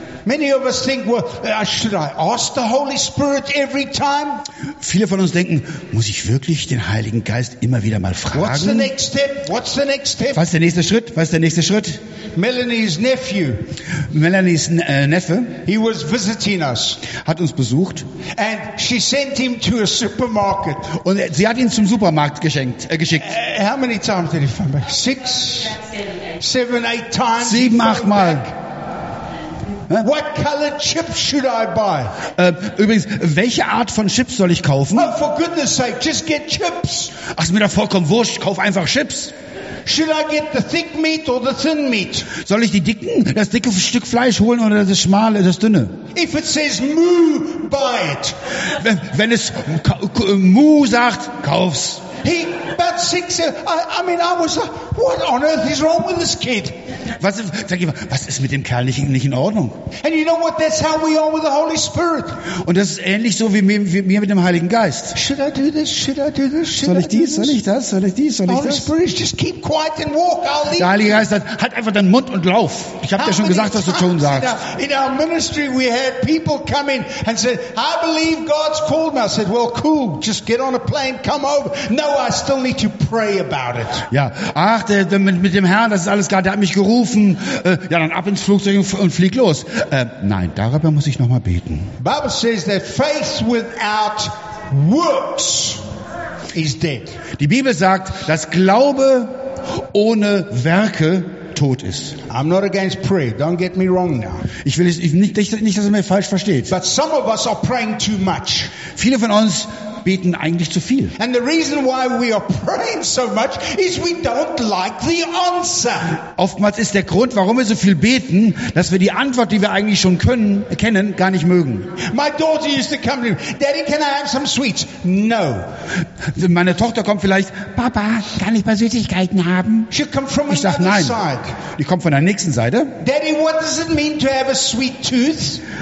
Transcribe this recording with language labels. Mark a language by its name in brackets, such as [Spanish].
[English] Many of us think, well, should I ask the Holy Spirit every time? [German] Viele von uns denken, muss ich wirklich den Heiligen Geist immer wieder mal fragen? [English] What's the next step? What's the next step? [German] Was ist der nächste Schritt? Was ist der nächste Schritt? [English] Melanie's nephew. [German] Melanie's Neffe. [English] He was visiting us. [German] Hat uns besucht. [English] And she sent him to a supermarket. [German] Und sie hat ihn zum Supermarkt geschickt. [English] How many times did he come back? Six. Seven, eight times. [German] Sieben, acht Mal. [English] What color chips should I buy? [German] Übrigens, welche Art von Chips soll ich kaufen? [English] Oh, for goodness sake, just get chips. [German] Ach, ist mir doch vollkommen wurscht, kauf einfach Chips. [English] Should I get the thick meat or the thin meat? [German] Soll ich das dicke Stück Fleisch holen oder das schmale, das dünne? [English] If it says moo, buy it. [German] Wenn es moo sagt, kauf's. [English] He about six. I was like, what on earth is wrong with this kid? [German] Was ist mit dem Kerl nicht in Ordnung? [English] And you know what? That's how we are with the Holy Spirit. [German] Und das ist ähnlich so wie mir mit dem Heiligen Geist. [English] Should I do this? Should I do this? [German] Soll ich dies? Soll ich das? Soll ich dies? Soll ich das? [English] Holy Spirit, just keep quiet and walk. I'll leave. [German] Der Heilige Geist sagt, halt einfach deinen Mund und lauf. Ich habe dir schon gesagt, was du tun sagst. [English] In our ministry, we had people come in and said, I believe God's called me. I said, well, cool. Just get on a plane, come over. No. I still need to pray about it. [German] Ja, ach, der mit dem Herrn, das ist alles klar, der hat mich gerufen. Ja, dann ab ins Flugzeug und flieg los. Nein, darüber muss ich nochmal beten. [English] The Bible says that faith without works is dead. [German] Die Bibel sagt, dass Glaube ohne Werke tot ist. [English] I'm not against prayer. Don't get me wrong now. [German] Ich will nicht, dass ihr mich falsch versteht. [English] But some of us are praying too much. [German] Viele von uns beten eigentlich zu viel. [English] And the reason why we are praying so much is we don't like the answer. [German] Oftmals ist der Grund, warum wir so viel beten, dass wir die Antwort, die wir eigentlich schon kennen, gar nicht mögen. [English] My daughter used to come to me, Daddy, can I have some sweets? No. [German] Meine Tochter kommt vielleicht, Papa, kann ich ein paar Süßigkeiten haben? [English] She come from [German] ich sage nein. [English] Side. [German] Die kommt von der nächsten Seite. [English] Daddy, what does it mean to have a sweet tooth?